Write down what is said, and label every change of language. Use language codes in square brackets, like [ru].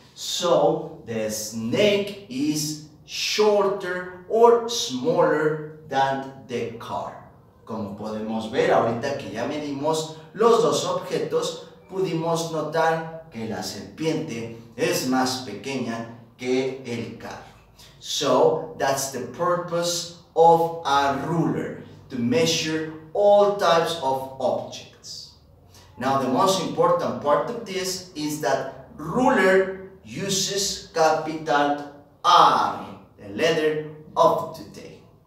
[en] So the snake is shorter or smaller than the car. [es] Como podemos ver, ahorita que ya medimos los dos objetos, pudimos notar que la serpiente es más pequeña que el carro. [en] So, that's the purpose of a ruler, to measure all types of objects. Now, the most important part of this is that ruler uses capital R, the letter of today.